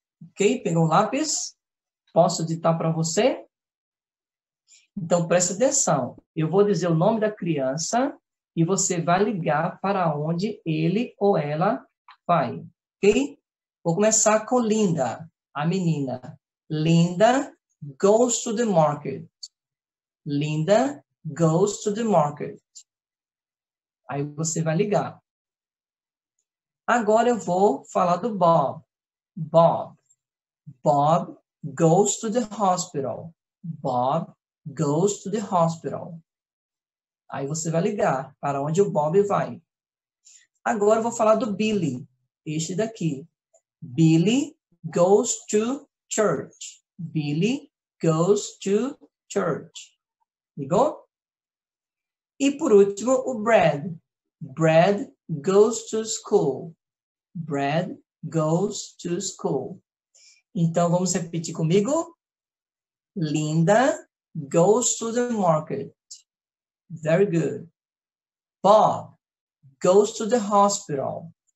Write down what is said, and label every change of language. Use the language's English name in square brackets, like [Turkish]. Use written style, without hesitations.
[Portuguese] Ok? Pegou o lápis? Posso ditar para você? Então presta atenção. Eu vou dizer o nome da criança. E você vai ligar para onde ele ou ela vai. Ok? Vou começar com Linda, a menina. [English] Linda goes to the market. Linda goes to the market. [Portuguese] Aí você vai ligar. Agora eu vou falar do Bob. Bob. [English] Bob goes to the hospital. Bob goes to the hospital. [Portuguese] Aí você vai ligar para onde o Bob vai. Agora eu vou falar do Billy, este daqui. [English] Billy goes to church. Billy goes to church. [Portuguese] Ligou? E por último, o Brad. [English] Brad goes to school. Brad goes to school. [Portuguese] Então, vamos repetir comigo? [English] Linda goes to the market. Very good. Bob goes to the hospital.